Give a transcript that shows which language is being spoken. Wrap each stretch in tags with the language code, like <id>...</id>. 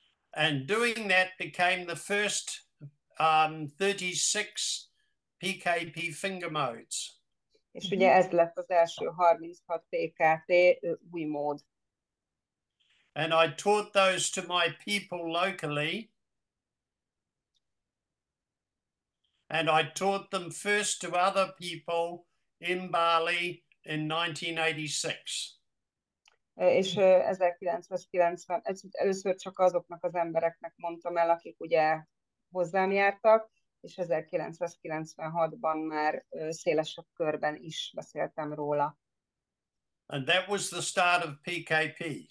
<en>And doing that became the first 36 PKP finger modes.</en> <hu>És ugye ez lett az első 36 PKP új mód.</hu> <en>And I taught those to my people locally. And I taught them first to other people in Bali in 1986.</en> <hu>És 1990, ez először csak azoknak az embereknek mondtam el, akik ugye hozzám jártak, és 1996-ban már szélesebb körben is beszéltem róla.</hu> <en>And that was the start of PKP.</en>